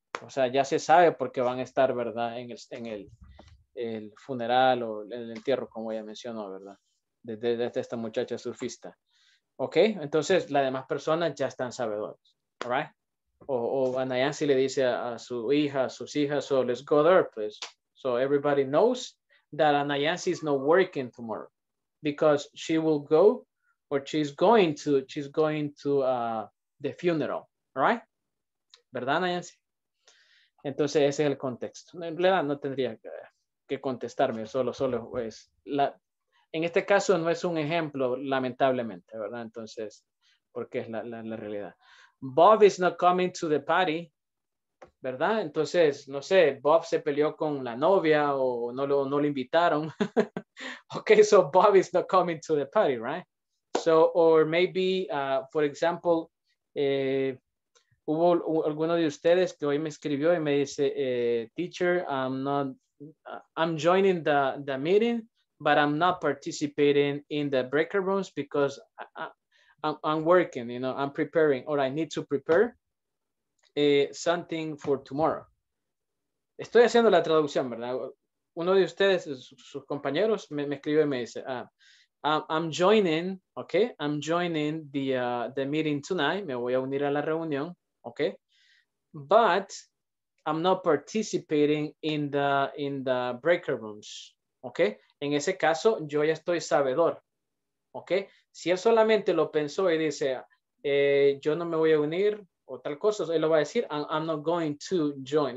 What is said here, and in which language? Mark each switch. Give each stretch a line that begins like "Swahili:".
Spanish: O sea, ya se sabe por qué van a estar, ¿verdad? En el funeral o el entierro, como ya mencionó, ¿verdad? Desde esta muchacha surfista. ¿Ok? Entonces, las demás personas ya están sabedores. ¿All right? O a Nayansi le dice a su hija, a sus hijas,
English: so let's go there, please. So everybody knows that Nayansi is not working tomorrow because she will go, or she's going to the funeral, right?
Spanish: ¿Verdad, Nayansi? Entonces ese es el contexto. En realidad no tendría que contestarme, solo pues, en este caso no es un ejemplo, lamentablemente, ¿verdad? Entonces, porque es la realidad.
English: Bob is not coming to the party, ¿verdad?
Spanish: Entonces, no sé, Bob se peleó con la novia o no lo invitaron.
English: Okay, so Bob is not coming to the party, right? So, or maybe, for example,
Spanish: hubo alguno de ustedes que hoy me escribió y me dice,
English: teacher, I'm joining the meeting, but I'm not participating in the breaker rooms because I'm working, you know, I'm preparing, or I need to prepare something for tomorrow.
Spanish: Estoy haciendo la traducción, ¿verdad? Uno de ustedes, sus compañeros, me escribe y me dice,
English: I'm joining, okay? I'm joining the meeting tonight.
Spanish: Me voy a unir a la reunión, okay?
English: But I'm not participating in the breaker rooms, okay?
Spanish: En ese caso, yo ya estoy sabedor. ¿Ok? Si él solamente lo pensó y dice, yo no me voy a unir o tal cosa, él lo va a decir,
English: I'm not going to join.